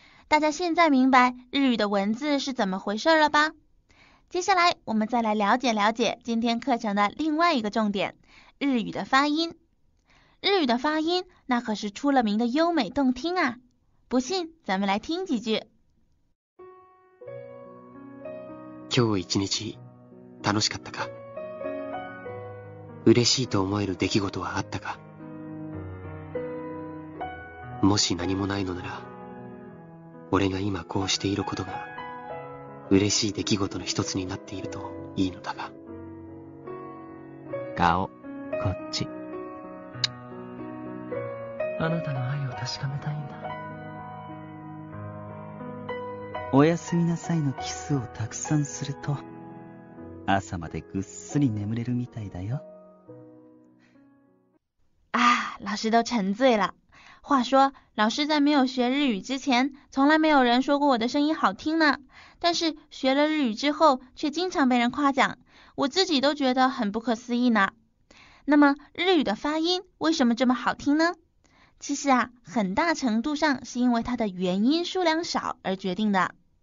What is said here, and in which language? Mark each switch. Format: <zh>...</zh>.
<zh>大家现在明白日语的文字是怎么回事了吧？接下来我们再来了解了解今天课程的另外一个重点，日语的发音。日语的发音那可是出了名的优美动听啊，不信咱们来听几句。</zh> <ja>今日一日楽しかったか？嬉しいと思える出来事はあったか？もし何もないのなら、俺が今こうしていることが嬉しい出来事の一つになっているといいのだが。顔、こっち。あなたの愛を確かめたいんだ。おやすみなさいのキスをたくさんすると、朝までぐっすり眠れるみたいだよ。</ja> <zh>啊，老师都沉醉了。话说，老师在没有学日语之前，从来没有人说过我的声音好听呢。但是学了日语之后，却经常被人夸奖，我自己都觉得很不可思议呢。那么，日语的发音为什么这么好听呢？其实啊，很大程度上是因为它的元音数量少而决定的。</zh>